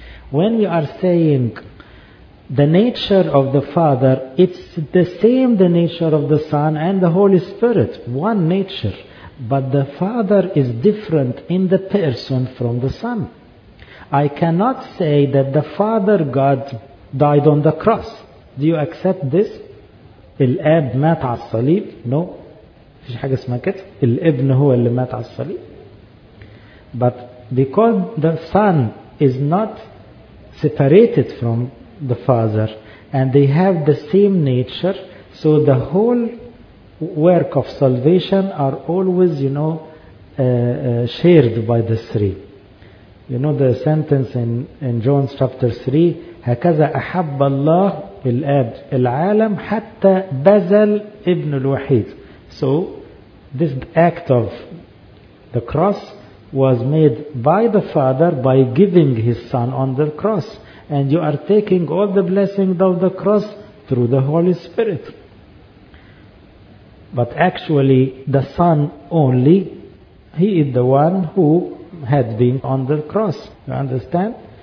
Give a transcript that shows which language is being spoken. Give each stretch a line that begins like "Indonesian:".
English: When we are saying the nature of the Father, it's the same the nature of the Son and the Holy Spirit. One nature. But the Father is different in the person from the Son. I cannot say that the Father God died on the cross. Do you accept this?
Arabic: الاب مات على الصليب؟ نو، مفيش حاجه اسمها كده. الابن هو اللي مات على الصليب.
English: But because the son is not separated from the father and they have the same nature, so the whole work of salvation are always, you know, shared by the three. You know the sentence in John chapter 3,
Arabic: هكذا أحب الله الآب العالم حتى بذل ابن الوحيد.
English: So this act of the cross was made by the Father by giving his son on the cross, and you are taking all the blessings of the cross through the Holy Spirit. But actually the son only, he is the one who had been on the cross. You understand?